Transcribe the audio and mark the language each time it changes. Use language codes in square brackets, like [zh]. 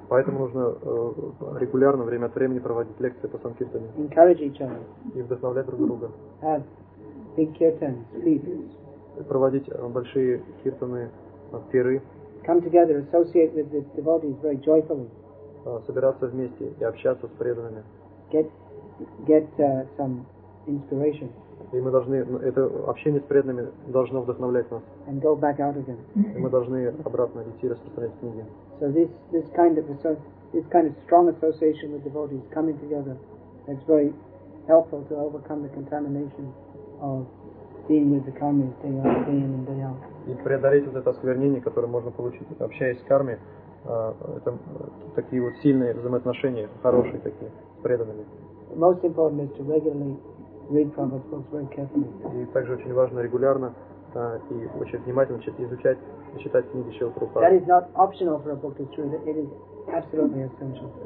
[ru] Поэтому нужно регулярно время от времени проводить лекции по санкиртане. [en] Encourage each other. [ru] И вдохновлять друг друга. [en] Have big kirtans, feasts. [ru] Проводить большие киртаны, пиры. [en] Come together, associate with the devotees very joyfully. [ru] Собираться вместе и общаться с преданными. [en] Get some inspiration. [ru] И мы должны, это общение с преданными должно вдохновлять нас. [en] And go back out again. [ru] И мы должны обратно идти распространять книги. [en] So this kind of strong association with devotees coming together, it's very helpful to overcome the contamination of being with the karmis day out, day in and day out. [ru] И преодолеть вот это осквернение, которое можно получить, общаясь с карми, это такие вот сильные взаимоотношения, хорошие такие, с преданными. [en] Most important is to regularly read Prabhupada's books very carefully. [ru] И также очень важно регулярно и очень внимательно изучать и читать книги Шрилы Прабхупады. [en] That is not optional for a book to read, it is absolutely essential.